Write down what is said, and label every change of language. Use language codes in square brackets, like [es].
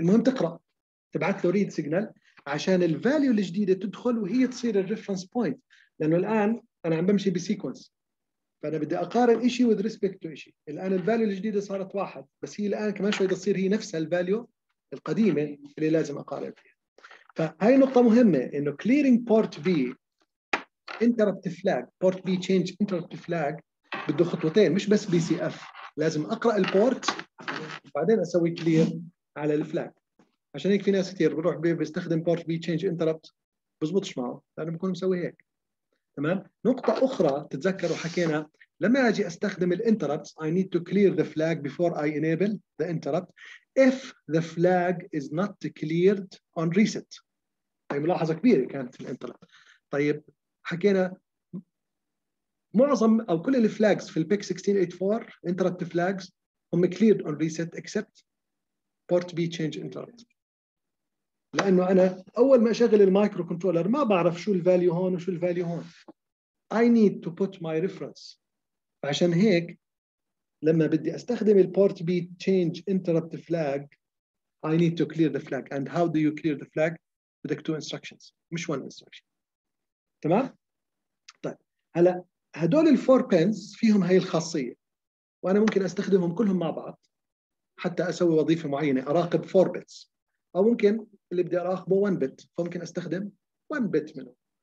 [ar] المهم تقرأ تبعث له read signal عشان الفاليو الجديدة تدخل وهي تصير الreference point، لأنه الآن أنا عم بمشي بسيكونس، فأنا بدي أقارن إشي [en] with respect to [ar] إشي. الآن الفاليو الجديدة صارت واحد، بس هي الآن كمان شوي تصير هي نفسها الفاليو القديمة اللي لازم أقارن فيها. فهي نقطة مهمة إنه clearing port B interrupt flag، port B change interrupt flag بده خطوتين، مش بس BCF. لازم أقرأ البورت وبعدين أسوي clear على الفلاج. عشان هيك في ناس كتير بروح بيستخدم port B change interrupt بزبطش معه، لأنه بكون مسوي هيك. تمام. نقطة أخرى تتذكروا حكينا لما أجي أستخدم الانتربتس [en] I need to clear the flag before I enable the interrupt if the flag is not cleared on reset. [ar] هي ملاحظة كبيرة كانت في الانتربت. طيب حكينا معظم أو كل الفلاجز في البيك 1684 interrupt flags هم [en] cleared on reset except port B change interrupt، [ar] لانه انا اول ما اشغل المايكرو كنترولر ما بعرف شو الفاليو هون وشو الفاليو هون. [en] I need to put my reference. [ar] عشان هيك لما بدي استخدم البورت بي تشينج انتربت فلاج [en] I need to clear the flag. And how do you clear the flag؟ [ar] بدك [en] two instructions [ar] مش [en] one instruction. [ar] تمام. طيب هلا هدول الفور بينز فيهم هاي الخاصيه، وانا ممكن استخدمهم كلهم مع بعض حتى اسوي وظيفه معينه اراقب فور بيتس، او ممكن اللي بدي اراقبه 1 بت فممكن استخدم 1 بت منه.